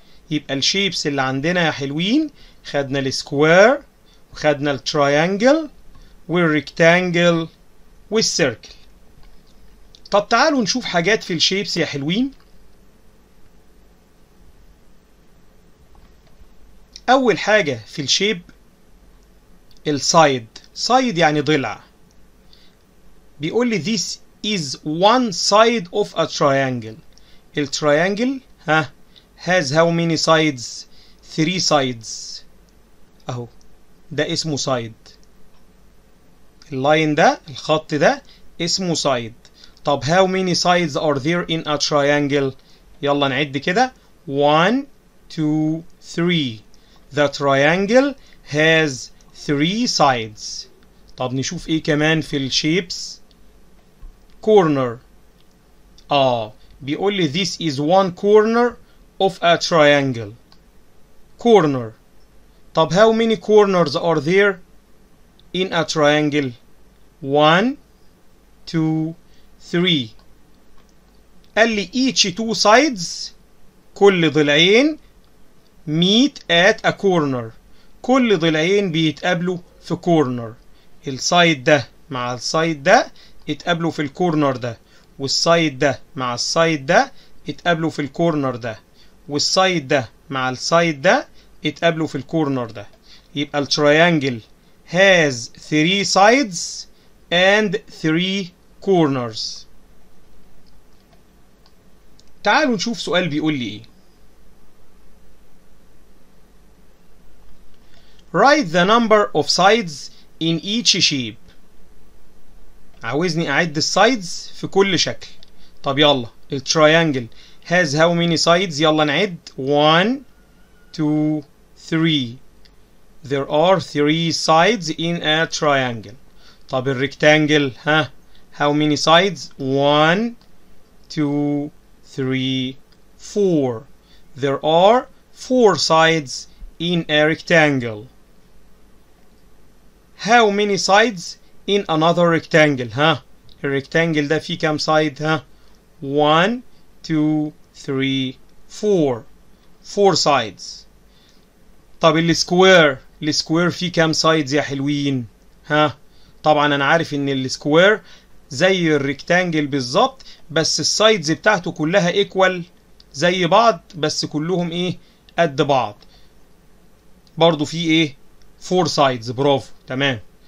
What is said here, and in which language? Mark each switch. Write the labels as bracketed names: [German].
[Arabic] يبقى الشيبس اللي عندنا يا حلوين، خدنا السكوير، خدنا التريانجل والريكتانجل والسيركل. طب تعالوا نشوف حاجات في الشيبس يا حلوين. اول حاجة في الشيب السايد. سايد يعني ضلع. بيقول لي [English] this is one side of a triangle. التريانجل ها has how many sides? three sides. [Arabic] اهو ده اسمه سايد. اللاين ده، الخط ده اسمه سايد. طب [English] how many sides are there in a triangle؟ [Arabic] يلا نعد كده. [English] 1 2 3. The triangle has 3 sides. [Arabic] طب نشوف ايه كمان في الشيبس. [English] corner. [Arabic] بيقول لي [English] this is one corner of a triangle. corner. [Arabic] طب [English] how many corners are there in a triangle? 1 2 3. [Arabic] قال لي [English] each two sides [Arabic] كل ضلعين [English] meet at a corner، [Arabic] كل ضلعين بيتقابلوا في corner. السايد ده مع السايد ده اتقابلوا في الكورنر ده، والسايد ده مع السايد ده اتقابلوا في الكورنر ده، والسايد ده مع السايد ده اتقابلوا في الكورنر ده. يبقى [English] التريانجل has three sides and three corners. [Arabic] تعالوا نشوف سؤال بيقول لي ايه. [English] Write the number of sides in each shape. [Arabic] عاوزني اعد السايدز في كل شكل. طب يلا التريانجل [English] has how many sides؟ [Arabic] يلا نعد 1 2 3. [English] There are three sides in a triangle. [Arabic] طب الريكتانجل ها [English] how many sides؟ [Arabic] 1 2 3 4. [English] There are four sides in a rectangle. How many sides in another rectangle؟ [Arabic] ها الريكتانجل ده فيه كام سايد؟ ها 1 2 3 4، 4 سايدز. طب السكوير، السكوير فيه كام سايدز يا حلوين؟ ها طبعا انا عارف ان السكوير زي الريكتانجل بالظبط، بس السايدز بتاعته كلها ايكوال زي بعض، بس كلهم ايه قد بعض برضو، في ايه 4 سايدز. برافو تمام.